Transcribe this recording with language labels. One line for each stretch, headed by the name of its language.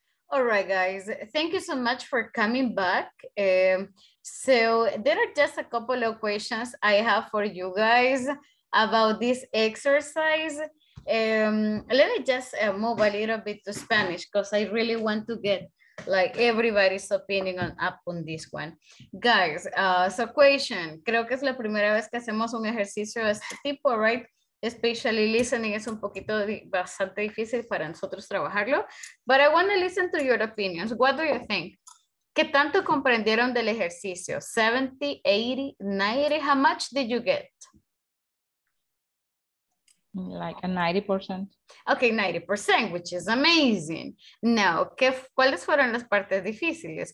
English: All right, guys, thank you so much for coming back. So there are just a couple of questions I have for you guys about this exercise. Let me just move a little bit to Spanish because I really want to get like everybody's opinion on this one. Guys, so question,
Spanish: creo que es la primera vez que hacemos un ejercicio de este tipo, right? Especially listening es un poquito bastante difícil para nosotros trabajarlo.
English: But I want to listen to your opinions. What do you think?
Spanish: ¿Qué tanto comprendieron del ejercicio?
English: 70, 80, 90, how much did you get? Like a 90%. Okay, 90%, which is amazing. Now,
Spanish: ¿cuáles fueron las partes difíciles?